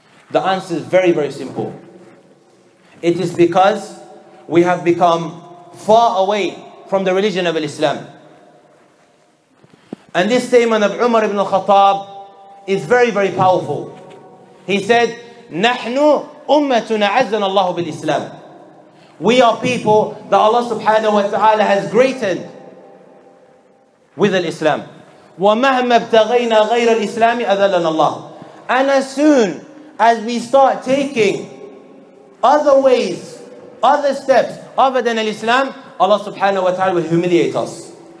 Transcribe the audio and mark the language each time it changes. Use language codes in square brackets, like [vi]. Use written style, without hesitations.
[en] The answer is very, very simple. It is because we have become far away from the religion of Islam. And this statement of Umar ibn al-Khattab is very, very powerful. He said, [ar] نَحْنُ أُمَّتُنَا عَزَّنَ اللَّهُ بِالْإِسْلَامِ. [en] We are people that Allah subhanahu wa ta'ala has greatened with Islam. [ar] وَمَهْمَا ابْتَغَيْنَا غَيْرَ الْإِسْلَامِ أَذَلَّنَا اللَّهُ. [en] And as soon as we start taking other ways, other steps other than Islam, Allah subhanahu wa ta'ala will humiliate us.